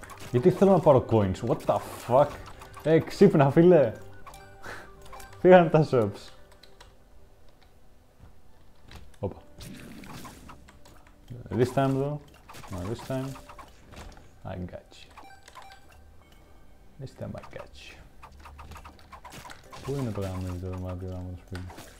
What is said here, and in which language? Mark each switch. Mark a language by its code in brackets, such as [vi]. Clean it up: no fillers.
[el] Γιατί θέλω να πάρω coins, [en] what the fuck? [el] Ε, ξύπνα φίλε! Φύγανε τα shops. Οπα. [en] This time though, not this time, I got you. This time I got you. [el] Πού είναι το γραμμένο το δωμάτιο γράμμα του σπίτι.